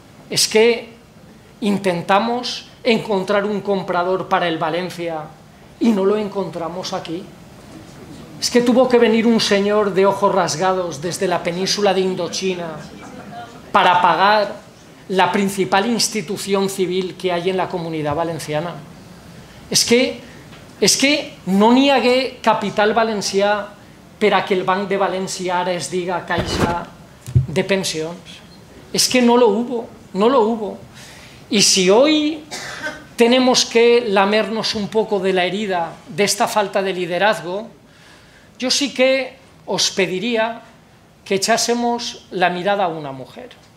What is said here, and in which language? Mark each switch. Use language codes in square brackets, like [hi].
[es] Es que intentamos encontrar un comprador para el Valencia y no lo encontramos aquí. Es que tuvo que venir un señor de ojos rasgados desde la península de Indochina para pagar la principal institución civil que hay en la comunidad valenciana. [ca] Es que no niegue capital valencià per a que el Banc de València ara es diga Caixa de Pensions. [es] Es que no lo hubo, no lo hubo. Y si hoy tenemos que lamernos un poco de la herida de esta falta de liderazgo, yo sí que os pediría que echásemos la mirada a una mujer.